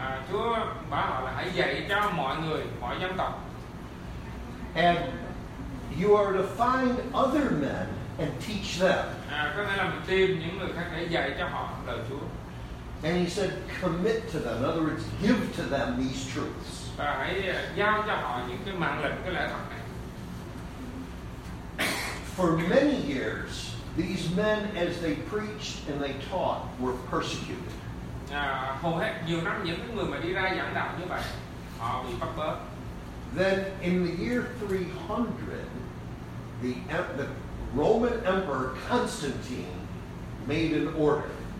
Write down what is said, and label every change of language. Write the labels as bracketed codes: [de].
[vi] Chúa bảo họ là hãy dạy cho mọi người, mọi dân tộc. [en] And you are to find other men and teach them. [vi] Có nghĩa là mình tìm những người khác để dạy cho họ lời Chúa. [en] And he said, commit to them. In other words, give to them these truths. [vi] Và hãy giao cho họ những cái mạng lệnh, cái lẽ thật này. [en] For many years, these men, as they preached and they taught, were persecuted. [vi] hầu hết nhiều năm những người mà đi ra giảng đạo như vậy họ bị bắt bớ. [en] Then in the year 300, the Roman Emperor Constantine made an order.